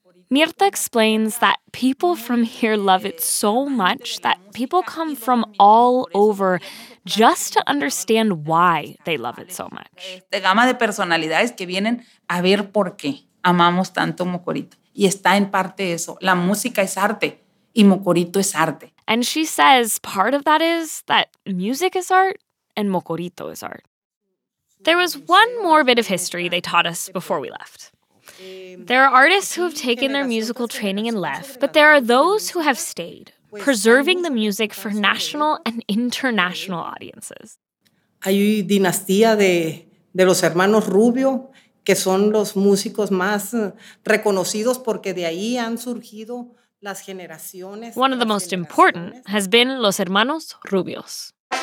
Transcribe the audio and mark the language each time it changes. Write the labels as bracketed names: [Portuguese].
[English] Mirta explains that people from here love it so much that people come from all over just to understand why they love it so much. [Spanish] De gama de personalidades que vienen a ver por qué amamos tanto Mocorito. Y está en parte eso. La música es arte y Mocorito es arte. [English] And she says part of that is that music is art and Mocorito is art. There was one more bit of history they taught us before we left. There are artists who have taken their musical training and left, but there are those who have stayed, preserving the music for national and international audiences. [Spanish] Hay dinastía de los hermanos Rubio, que son los músicos más reconocidos porque de ahí han surgido las generaciones. [English] One of the most important has been Los Hermanos Rubios.